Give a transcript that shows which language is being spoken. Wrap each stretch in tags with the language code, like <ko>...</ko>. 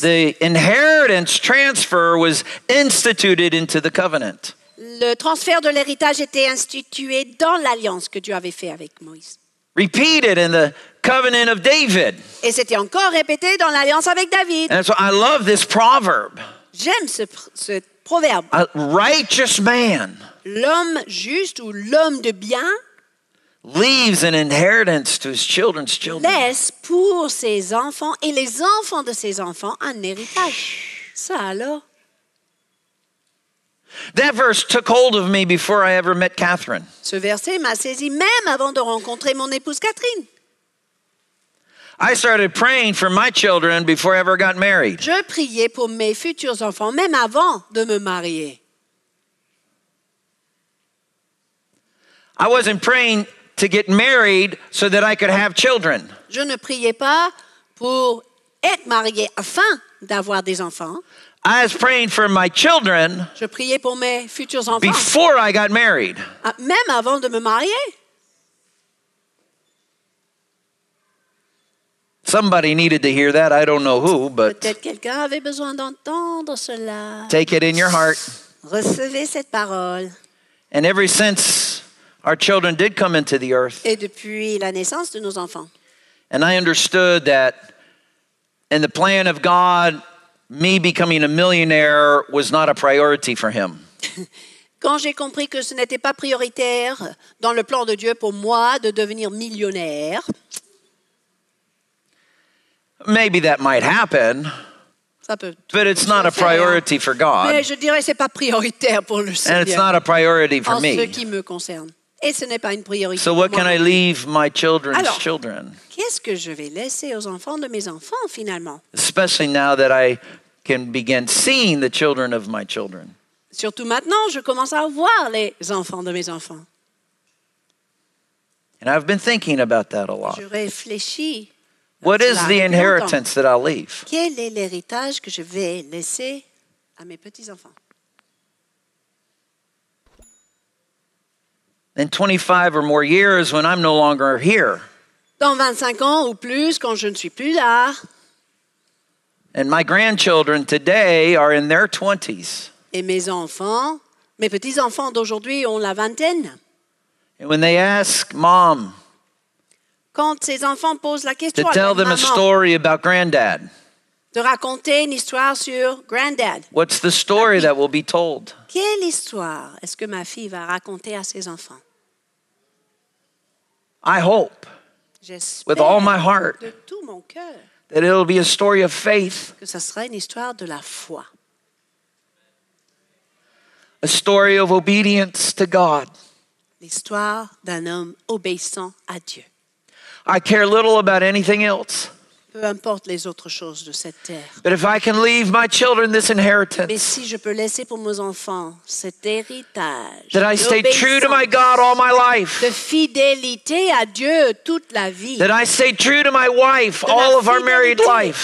<en>The inheritance transfer was instituted into the covenant.</en> <fr>Le transfert de l'héritage était institué dans l'alliance que Dieu avait fait avec Moïse.</fr> <en>Repeated in the covenant of David.</en> <fr>Et c'était encore répété dans l'alliance avec David.</fr> <en>And so I love this proverb.</en> <fr>J'aime ce proverbe.</fr> <en>A righteous man.</en> <fr>L'homme juste ou l'homme de bien.</fr> <en>Leaves an inheritance to his children's children.</en> <fr>Laisse pour ses enfants et les enfants de ses enfants un héritage. Ça alors.</fr> <en>That verse took hold of me before I ever met Kathryn.</en> <fr>Ce verset m'a saisi même avant de rencontrer mon épouse Kathryn.</fr> <en>I started praying for my children before I ever got married.</en> <fr>Je priais pour mes futurs enfants même avant de me marier.</fr> <en>I wasn't praying to get married so that I could have children.</en> <fr>Je ne priais pas pour être mariée afin d'avoir des enfants.</fr> <en>I was praying for my children.</en> <fr>Je priais pour mes futurs enfants.</fr> <en>Before I got married.</en> <fr>Même avant de me marier.</fr> <en>Somebody needed to hear that. I don't know who, but</en> <fr>peut-être quelqu'un avait besoin d'entendre cela.</fr> <en>Take it in your heart.</en> <fr>Recevez cette parole.</fr> <en>And ever since our children did come into the earth.</en> <fr>Et depuis la naissance de nos enfants.</fr> <en>And I understood that in the plan of God, me becoming a millionaire was not a priority for him.</en> <fr>Quand j'ai compris que ce n'était pas prioritaire dans le plan de Dieu pour moi de devenir millionnaire.</fr> <en>Maybe that might happen,</en> <fr>ça peut,</fr> <en>but it's not a priority for God.</en> <fr>Mais je dirais c'est pas prioritaire pour le Seigneur.</fr> <en>And it's not a priority for</en> <fr>en</fr> <en>me.</en> <fr>En ce qui me concerne, et ce n'est pas une priorité.</fr> <en>So what</en> <fr>pour</fr> <en>can</en> <fr>moi.</fr> <en>I leave my children's Alors, children?</en> <fr>Qu'est-ce que je vais laisser aux enfants de mes enfants finalement?</fr> <en>Especially now that I can begin seeing the children of my children.</en> <fr>Surtout maintenant, je commence à voir les enfants de mes enfants.</fr> <en>And I've been thinking about that a lot.</en> <fr>Je réfléchis.</fr> <en>What is the inheritance that I'll leave?</en> <fr>Quel est l'héritage que je vais laisser à mes petits-enfants?</fr> <en>In 25 or more years when I'm no longer here.</en> <fr>Dans 25 ans ou plus quand je ne suis plus là.</fr> <en>And my grandchildren today are in their 20s.</en> <fr>Et mes enfants, mes petits-enfants d'aujourd'hui ont la vingtaine.</fr> <en>And when they ask mom,</en> <fr>quand ses enfants posent la question</fr> <en>to tell them</en> <fr>maman,</fr> <en>a story about granddad.</en> <fr>De raconter une histoire sur granddad.</fr> <en>What's the story that will be told?</en> <fr>Quelle histoire est-ce que ma fille va raconter à ses enfants?</fr> <en>I hope,</en> <fr>j'espère,</fr> <en>with all my heart,</en> <fr>de tout mon cœur,</fr> <en>that it'll be a story of faith.</en> <fr>Que ça sera une histoire de la foi.</fr> <en>A story of obedience to God.</en> <fr>L'histoire d'un homme obéissant à Dieu.</fr> <en>I care little about anything else.</en> <fr>Peu importe les autres choses de cette terre.</fr> <en>But if I can leave my children this inheritance,</en> <fr>mais si je peux laisser pour mes enfants cet héritage,</fr> <en>that I stay true to my God all my life,</en> <fr>de fidélité à Dieu toute la vie,</fr> <en>that I stay true to my wife all of our married life,</en>